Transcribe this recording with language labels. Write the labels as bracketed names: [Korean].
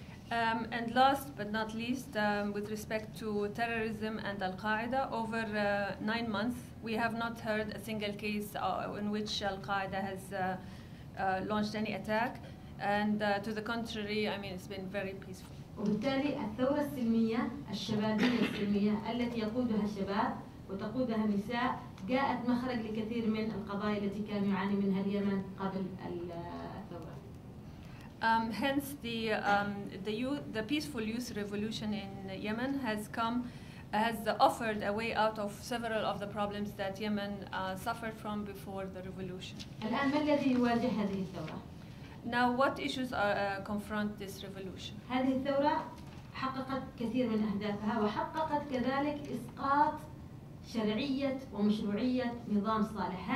[English] And last but not least, with respect to terrorism and Al-Qaeda, over 9 months, we have not heard a single case in which Al-Qaeda has launched any attack. And to the contrary, I mean, it's been very peaceful. [Arabic] وبالتالي الثورة السلمية الشبابية السلمية التي يقودها الشباب وتقودها النساء جاءت مخرج لكثير من القضايا التي كان يعاني منها اليمن قبل الثورة. [English] Hence, the peaceful youth revolution in Yemen has offered a way out of several of the problems that Yemen suffered from before the revolution. [Arabic] الآن ما الذي يواجه هذه الثورة؟ [English] Now, what issues confront this revolution? [Arabic] هذه الثورة حققت كثير من أهدافها وحققت كذلك إسقاط شرعية ومشروعية نظام صالح.